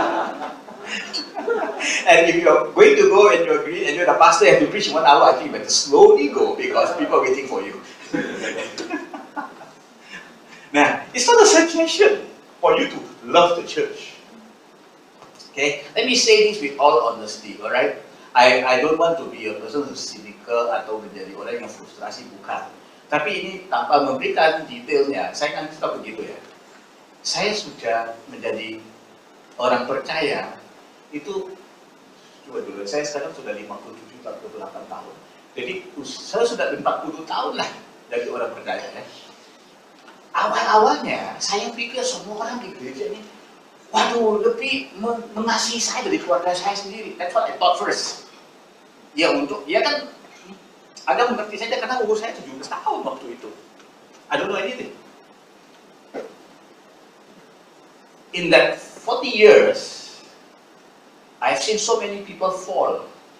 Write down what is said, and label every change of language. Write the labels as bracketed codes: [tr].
[en] And if you're going to go and you're green and you're the pastor, you have to preach 1 hour, I think you better slowly go because people are waiting for you. Now, it's not a suggestion for you to love the church. Okay? Let me say this with all honesty, alright? I don't want to be a person who's cynical [id] atau menjadi orang yang frustrasi, bukan. Tapi ini tanpa memberikan detailnya, saya kan tetap begitu ya. Saya sudah menjadi orang percaya, itu coba dulu, saya sekarang sudah 57-58 tahun. Jadi saya sudah 40 tahun lah dari orang percaya ya. Awal-awalnya saya pikir semua orang di gereja ini, waduh lebih mengasihi saya dari keluarga saya sendiri. [en] That's what I thought first. [id] Ya untuk, ya kan. Anda mengerti saja karena umur saya 17 tahun waktu itu. [en] I don't know anything. In that 40 years, I've seen so many people fall.